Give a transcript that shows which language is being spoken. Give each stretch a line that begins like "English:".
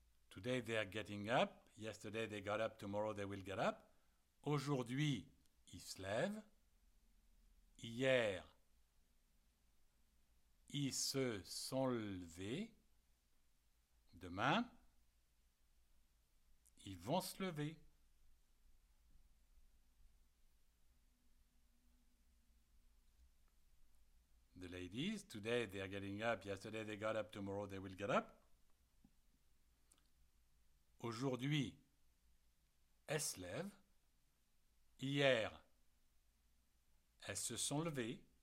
English: Today they are getting up. Yesterday they got up. Tomorrow they will get up.
French: Aujourd'hui, ils se lèvent. Hier, ils se sont levés. Demain, ils vont se lever.
English: The ladies, today they are getting up. Yesterday they got up. Tomorrow they will get up.
French: Aujourd'hui, elles se lèvent. Hier, elles se sont levées.